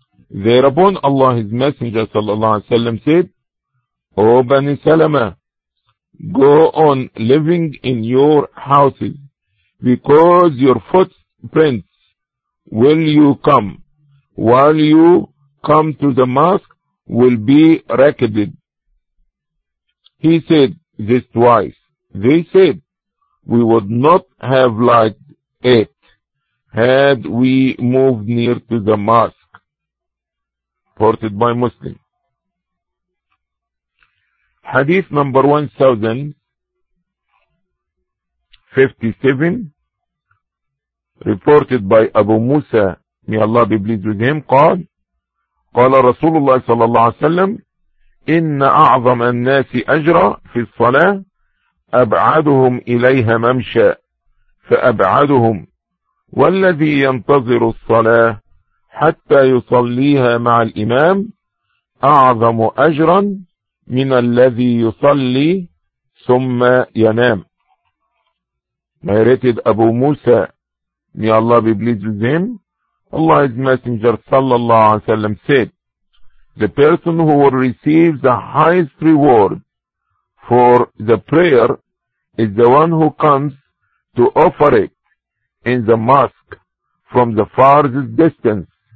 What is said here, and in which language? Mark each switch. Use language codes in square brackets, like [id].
[en] Thereupon Allah's Messenger sallallahu alaihi wasallam said, O Bani Salama, go on living in your houses, because your footprints will you come, while you come to the mosque will be recorded. He said this twice. They said, we would not have liked it had we moved near to the mosque. Reported by Muslim. Hadith number 1057, reported by Abu Musa, may Allah be pleased with him, [ar] قال رسول الله صلى الله عليه وسلم إن أعظم الناس أجرا في الصلاة أبعدهم إليها ممشى فأبعدهم والذي ينتظر الصلاة حتى يصليها مع الإمام أعظم أجرا من الذي يصلي ثم ينام. [en] Narrated Abu Musa, may Allah be pleased with him. Allah's Messenger sallallahu alaihi wasallam said, the person who will receive the highest reward for the prayer is the one who comes to offer it in the mosque from the farthest distance.